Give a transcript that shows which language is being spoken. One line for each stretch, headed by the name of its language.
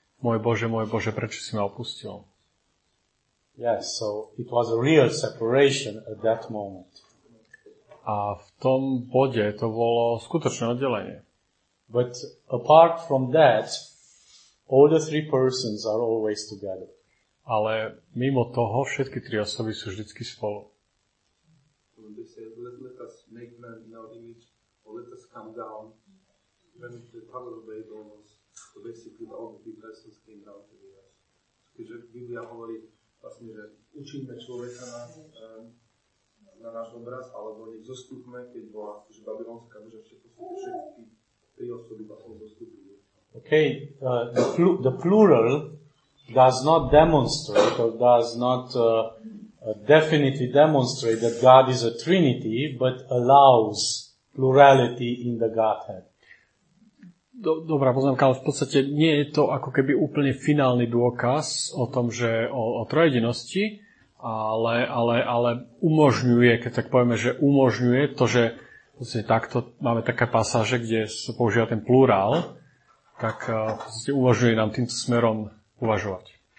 Slovak: Môj Bože, prečo si ma opustil?
English: Yes, so it was a real separation at that moment.
Slovak: A v tom bode to bolo skutočné oddelenie.
English: But apart from that, all the three persons are always together.
Slovak: Ale mimo toho, všetky tri osoby sú vždycky spolu.
English: Let us make man in our image, or let us come down. When the Tower of Babel was, so basically all the three persons came down to the earth.
Slovak: Keďže Biblia hovorí, vlastne, že učíme človeka na náš obraz, alebo nech zostupme, keď bola už babylonská, že všetky tri osoby potom zostupili.
English: Okay, the plural does not demonstrate or does not definitely demonstrate that God is a Trinity, but allows plurality in the Godhead.
Slovak: Dobrá poznámka, ale v podstate nie je to ako keby úplne finálny dôkaz o tom, že o trojedinosti, ale umožňuje, keď tak povieme, že umožňuje to, že vlastne takto máme také pasáže, kde sa používa ten plurál, tak v podstate umožňuje nám týmto smerom uvažovať.